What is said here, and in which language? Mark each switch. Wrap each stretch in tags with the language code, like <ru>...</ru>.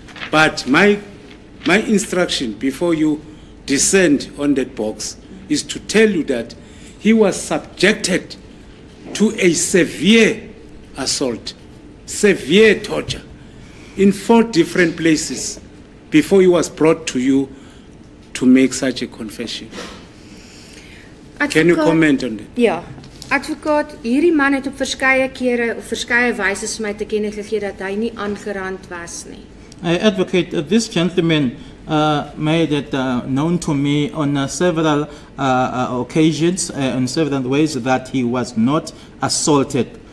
<en>But my instruction before you descend on that box is to tell you that he was subjected to a severe assault, severe torture, in four different places before he was brought to you to make such a confession. Can you comment on that?</en> <af>Ja, advokaat, hierdie man het op verskeie kere of verskeie wyse vir my te kenne gegee dat hy nie aangerand was nie.</af> <en>I advocate this gentleman made it known to me on several occasions in several ways that he was not assaulted.</en>